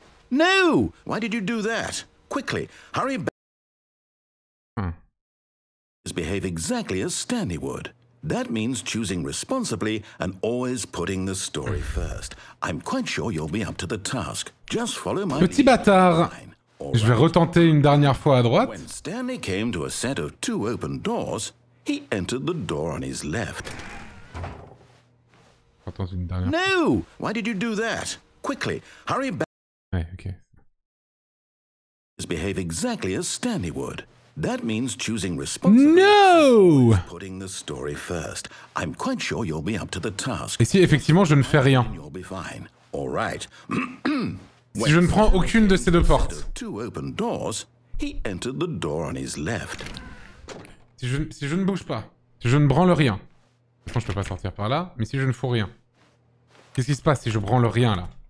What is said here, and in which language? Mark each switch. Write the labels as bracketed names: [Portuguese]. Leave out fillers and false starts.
[English] No! Why did you do that? Quickly, hurry back. Behave exactly as Stanley would. That means choosing responsibly and always putting the story first. I'm quite sure you'll be up to the task. Just follow my [French] petit bâtard. Je vais retenter une dernière fois à droite. [English] When Stanley came to a set of two open doors, he entered the door on his left. [French] Attends une dernière. [English] No! Why did you do that? Quickly, hurry back. [French] Ouais, okay. [English] Behave exactly as Stanley would. That means choosing responsibility. No! Putting the story first. I'm quite sure you'll be up to the task. [French] Et si effectivement je ne fais rien. [English] You'll be fine. All right. [French] Si je ne prends aucune de ces deux portes. [English] Two open doors. He entered the door on his left. [French] Si je ne bouge pas, si je ne branle rien. Franchement, je peux pas sortir par là, mais si je ne fous rien. Qu'est-ce qui se passe si je branle rien là?